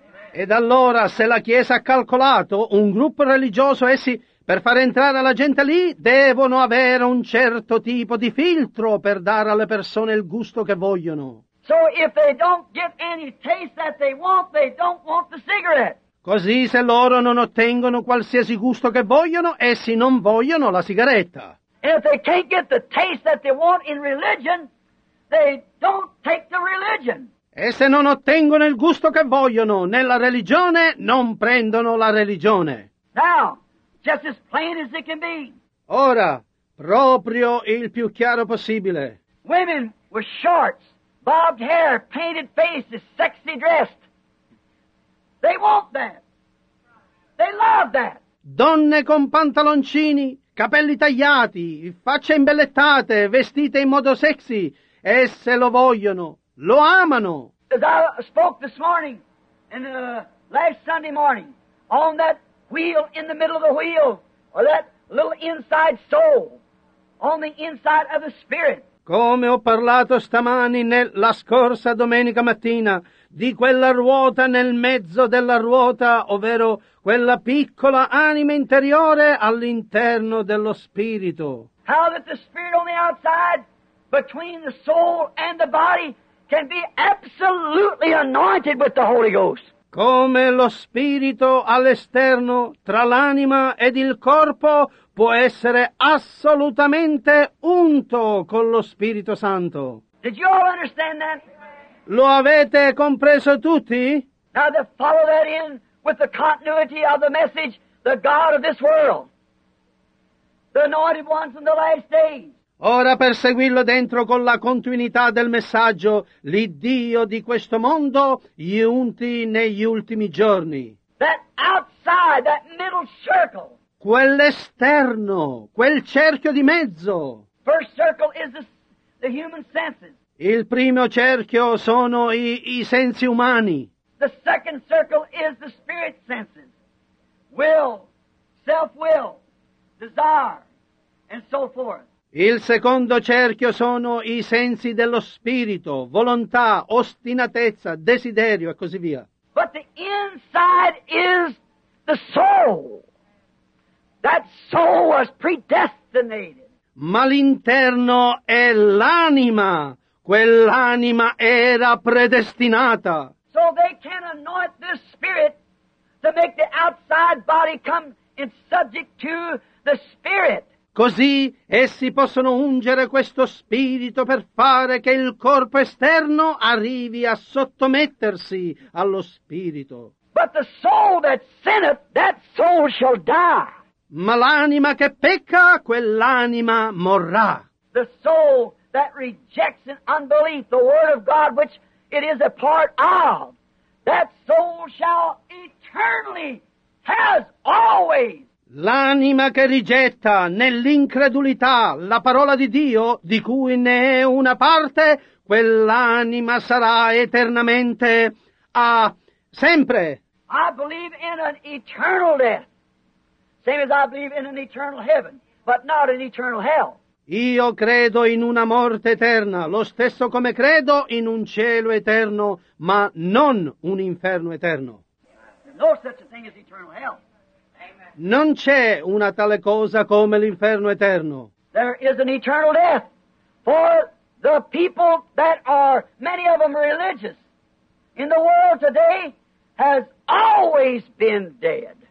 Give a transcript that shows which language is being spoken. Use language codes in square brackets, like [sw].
[it] Ed allora, se la Chiesa ha calcolato un gruppo religioso, essi, per far entrare la gente lì, devono avere un certo tipo di filtro per dare alle persone il gusto che vogliono. [en] So if they don't get any taste that they don't want the cigarette. [it] Così se loro non ottengono qualsiasi gusto che vogliono, essi non vogliono la sigaretta. [en] And if they can't get the taste that they want in religion, they don't take the religion. [it] E se non ottengono il gusto che vogliono nella religione, non prendono la religione. [en] Now, just as plain as it can be. [it] Ora, proprio il più chiaro possibile. [en] Women with shorts, bobbed hair, painted faces, sexy dressed. They want that. They love that. [it] Donne con pantaloncini, capelli tagliati, facce imbellettate, vestite in modo sexy, esse lo vogliono, lo amano. [en] As I spoke this morning, and last Sunday morning, on that wheel in the middle of the wheel, or that little inside soul, on the inside of the spirit. [it] Come ho parlato stamani nella scorsa domenica mattina di quella ruota nel mezzo della ruota, ovvero quella piccola anima interiore all'interno dello spirito. [en] How that the spirit on the outside, between the soul and the body, can be absolutely anointed with the Holy Ghost. [it] Come lo spirito all'esterno, tra l'anima ed il corpo, può essere assolutamente unto con lo Spirito Santo. [en] Did you all understand that? [it] Lo avete compreso tutti? [en] Now to follow that in with the continuity of the message, the God of this world, the anointed ones in the last days. [it] Ora per seguirlo dentro con la continuità del messaggio, l'Iddio di questo mondo gli unti negli ultimi giorni. [en] That outside, that middle circle. [it] Quell'esterno, quel cerchio di mezzo. [en] First circle is the human senses. [it] Il primo cerchio sono i sensi umani. [en] The second circle is the spirit senses. Will, self-will, desire, and so forth. [it] Il secondo cerchio sono i sensi dello spirito, volontà, ostinatezza, desiderio e così via. [en] But the inside is the soul. That soul was predestinated. [it] Ma l'interno è l'anima. Quell'anima era predestinata. [en] So they can anoint this spirit to make the outside body come in subject to the spirit. [it] Così essi possono ungere questo spirito per fare che il corpo esterno arrivi a sottomettersi allo spirito. [en] But the soul that sinneth, that soul shall die. [it] Ma l'anima che pecca, quell'anima morrà. [en] The soul that rejects in unbelief the word of God which it is a part of, that soul shall eternally, has always. [it] L'anima che rigetta nell'incredulità la parola di Dio, di cui ne è una parte, quell'anima sarà eternamente a sempre. [en] I believe in an eternal death, same as I believe in an eternal heaven, but not an eternal hell. [it] Io credo in una morte eterna, lo stesso come credo in un cielo eterno, ma non un inferno eterno. [en] No such a thing as eternal hell. [it] Non c'è una tale cosa come l'inferno eterno. [en] There is an eternal death for the people that are, many of them religious, in the world today has always been dead.